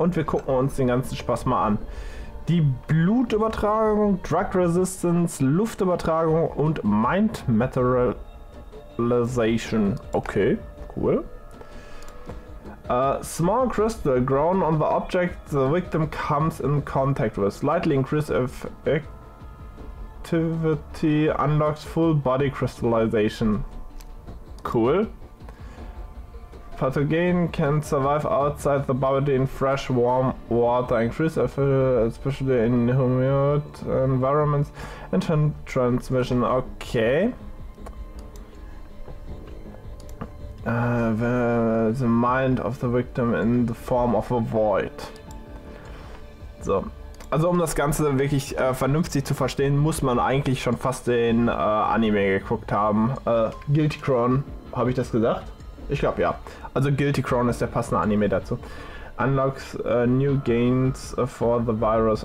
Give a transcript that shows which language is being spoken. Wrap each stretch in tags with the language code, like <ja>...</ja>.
<de>Und wir gucken uns den ganzen Spaß mal an. Die Blutübertragung, Drug Resistance, Luftübertragung und Mind Materialization.</de> <en>Okay, cool. A small crystal grown on the object the victim comes in contact with. Slightly increase effect. Activity unlocks full body crystallization. Cool. Pathogen can survive outside the body in fresh, warm water. Increase effort, especially in humid environments. And transmission. Okay. The mind of the victim in the form of a void. So.</en> <de>Also, um das Ganze wirklich vernünftig zu verstehen, muss man eigentlich schon fast den Anime geguckt haben. Guilty Crown, habe ich das gesagt? Ich glaube ja. Also, Guilty Crown ist der passende Anime dazu.</de> <en>Unlocks new gains for the virus.</en>